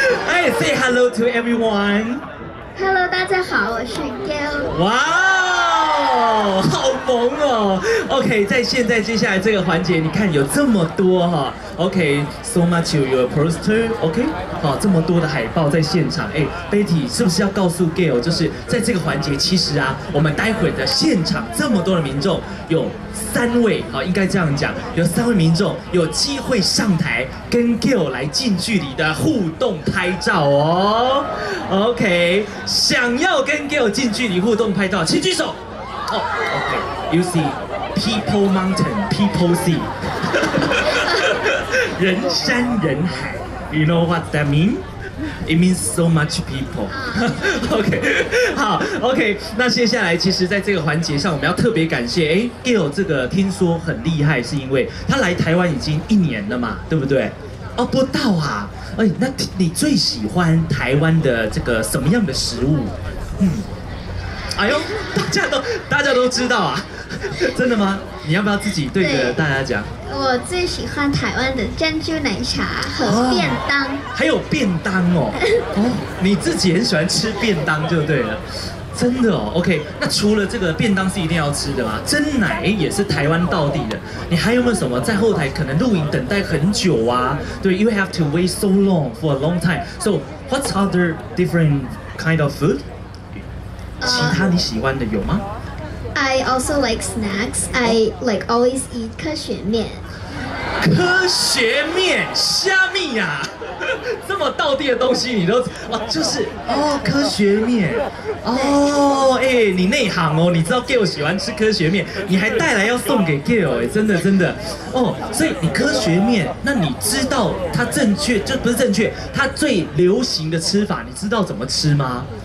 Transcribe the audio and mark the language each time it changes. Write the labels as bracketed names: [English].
[English] Hey, say hello to everyone. [Chinese] Hello, 大家好，我是 Gail. Wow, 好萌哦。 OK, 在现在接下来这个环节，你看有这么多哈。 [English] OK, so much of your poster. [Chinese] OK, 好，这么多的海报在现场。哎 ，Betty 是不是要告诉 Gail, 就是在这个环节，其实啊，我们待会的现场这么多的民众，有三位，好，应该这样讲，有三位民众有机会上台跟 Gail 来近距离的互动拍照哦。 OK, 想要跟 Gail 近距离互动拍照，请举手。 [English] OK, you see. People mountain, people sea. [Chinese] 人山人海 [English] You know what that mean? It means so much people. [Chinese] OK, 好 OK, 那接下来其实在这个环节上我们要特别感谢 Gail 这个听说很厉害是因为他来台湾已经一年了嘛对不对哦不到啊哎，那你最喜欢台湾的这个什么样的食物嗯，哎呦大家都知道啊真的吗？你要不要自己对着大家讲？我最喜欢台湾的珍珠奶茶和便当，还有便当哦。哦，你自己很喜欢吃便当就对了，真的哦。 OK, 那除了这个便当是一定要吃的吗？珍奶也是台湾道地的。你还有没有什么在后台可能录影等待很久啊？ [English] 对 ，You have to wait so long for a long time. So what's other different kind of food? [Chinese] 其他你喜欢的有吗？ [English] I also like snacks. I like always eat 科学面。 [Chinese] 科学面，虾米呀？这么道地的东西你都哇，就是哦，科学面哦，哎、欸，你内行哦，你知道 Gail 喜欢吃科学面，你还带来要送给 Gail 哎，真的真的哦，所以你科学面，那你知道它正确就不是正确，它最流行的吃法，你知道怎么吃吗？